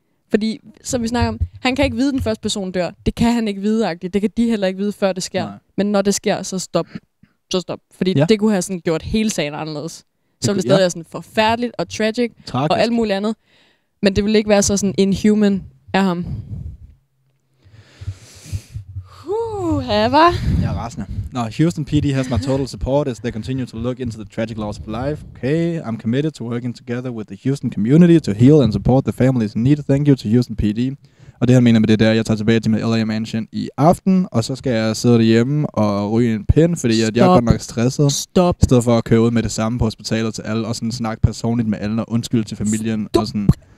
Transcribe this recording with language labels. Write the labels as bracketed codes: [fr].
[da] Fordi, som vi snakker om, han kan ikke vide, den første person dør. Det kan han ikke vide-agtigt. Det kan de heller ikke vide, før det sker. Nej. Men når det sker, så stop. Så stop. Fordi ja, det kunne have sådan gjort hele sagen anderledes. Så ville det stadig være sådan forfærdeligt og tragic. Tragisk. Og alt muligt andet. Men det ville ikke være så sådan inhuman af ham. Ja, rasende. [en] Nå, Houston PD has my total support as they continue to look into the tragic loss of life. Okay, I'm committed to working together with the Houston community to heal and support the families in need. Thank you to Houston PD. [da] Og det, han mener med det, der, jeg tager tilbage til min LA Mansion i aften, og så skal jeg sidde derhjemme og ryge en pind, fordi stop, jeg er godt nok stresset. Stop. I stedet for at køre ud med det samme på hospitalet til alle, og sådan snakke personligt med alle, og undskylde til familien, stop, og sådan.